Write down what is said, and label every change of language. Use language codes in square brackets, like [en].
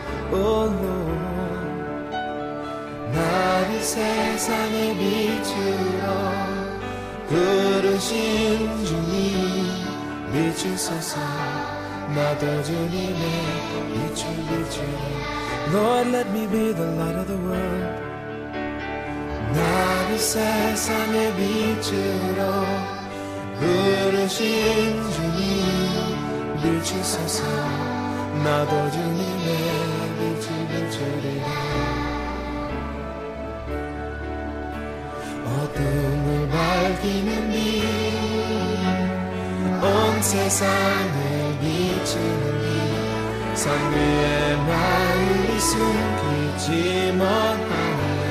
[en] Oh Lord, [ko] 나를 세상의 빛으로 부르신 주님 비추소서 나도 주님의 빛을 비추리라. [en] Lord, let me be the light of the world. [ko] 나를 세상의 빛으로 부르신 주님 비추소서 나도 주님의 어둠을 밝히는 빛, 온 세상을 비추는 빛, 상류의 마을이 숨기지 못하네.